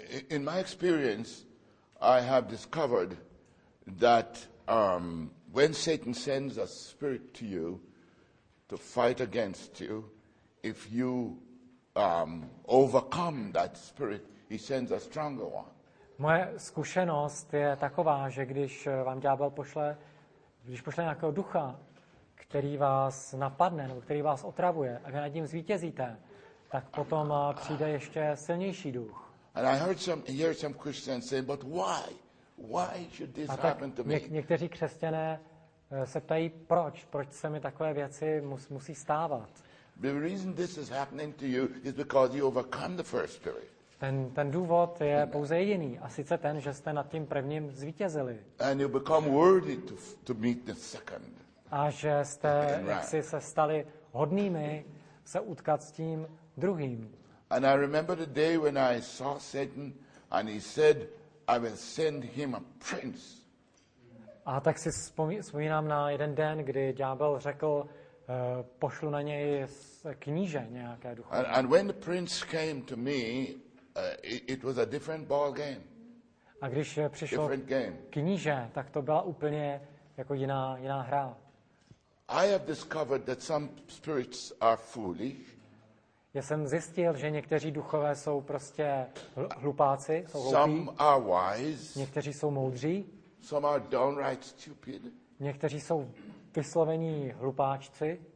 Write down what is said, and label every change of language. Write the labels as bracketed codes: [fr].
[en] In my experience, I have discovered that when Satan sends a spirit to you to fight against you, if you overcome that spirit, he sends a stronger one. [cs] Moje zkušenost je taková, že když vám ďábel pošle, když pošle nějakého ducha, který vás napadne nebo který vás otravuje a vy nad ním zvítězíte, tak potom přijde ještě silnější duch. [en] And I heard some Christians saying, but why? Why should this happen to me? [cs] Někteří křesťané se ptají, proč se mi takové věci musí stávat? [en] The reason this is happening to you is because you overcome the first spirit. [cs] Ten důvod je pouze jediný, a sice ten, že jste nad tím prvním zvítězili. [en] And you become worthy to meet the second. [cs] A že jste jaksi se stali hodnými se utkat s tím druhým. [en] And I remember the day when I saw Satan and he said, I will send him a prince. [cs] A tak si vzpomínám na jeden den, kdy ďábel řekl, pošlu na něj kníže nějaké duchovní. [en] And when the prince came to me, it was a different ball game. [cs] A když přišel kníže, tak to byla úplně jako jiná hra. [en] I have discovered that some spirits are foolish. [cs] Já jsem zjistil, že někteří duchové jsou prostě hlupáci, jsou hloupí. [en] Some are wise. [cs] Někteří jsou moudří. [en] Some are downright stupid. [cs] Někteří jsou vyslovení hlupáčci.